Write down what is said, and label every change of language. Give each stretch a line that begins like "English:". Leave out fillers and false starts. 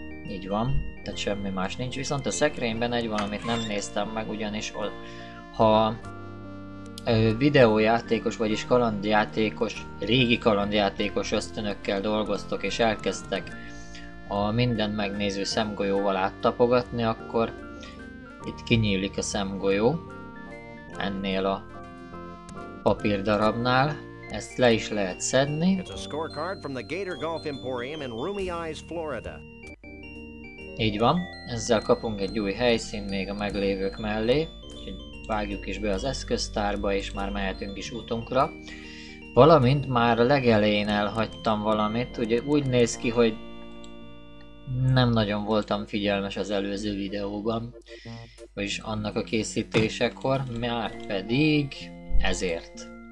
Hungarian: Így van, tehát semmi más nincs. Viszont a szekrényben egy valamit nem néztem meg, ugyanis ha videójátékos, vagyis kalandjátékos, régi kalandjátékos ösztönökkel dolgoztok, és elkezdtek a mindent megnéző szemgolyóval áttapogatni, akkor itt kinyílik a szemgolyó ennél a papírdarabnál. Ezt le is lehet szedni.
English: It's a scorecard from the Gator Golf Emporium in Roomy Eyes, Florida.
Hungarian: Így van, ezzel kapunk egy új helyszín még a meglévők mellé. Úgyhogy vágjuk is be az eszköztárba, és már mehetünk is útunkra. Valamint már a legelején elhagytam valamit, ugye úgy néz ki, hogy nem nagyon voltam figyelmes az előző videóban, vagyis annak a készítésekor, már pedig ezért.